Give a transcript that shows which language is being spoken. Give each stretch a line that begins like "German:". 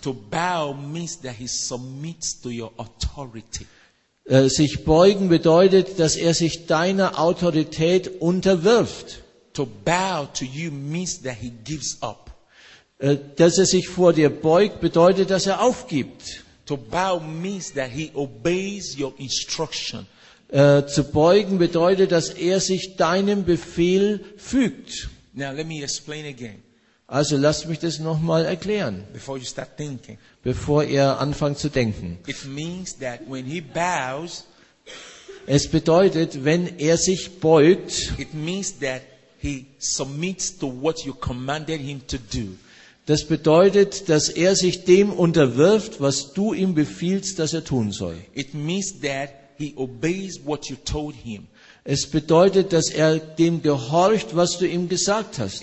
English: To bow means that he submits to your authority.
German: Sich beugen bedeutet, dass er sich deiner Autorität unterwirft.
English: To bow to you means that he gives up.
German: Dass er sich vor dir beugt, bedeutet, dass er aufgibt.
English: To bow means that he obeys your instruction.
German: Zu beugen bedeutet, dass er sich deinem Befehl fügt.
English: Now, let me explain again.
German: Also lass mich das nochmal erklären,
English: before you start thinking.
German: Bevor ihr anfangt zu denken.
English: It means that when he bows,
German: es bedeutet, wenn er sich beugt,
English: it means that he submits to what you commanded him to do.
German: Das bedeutet, dass er sich dem unterwirft, was du ihm befiehlst, dass er tun soll.
English: It means that he obeys what you told him.
German: Es bedeutet, dass er dem gehorcht, was du ihm gesagt hast.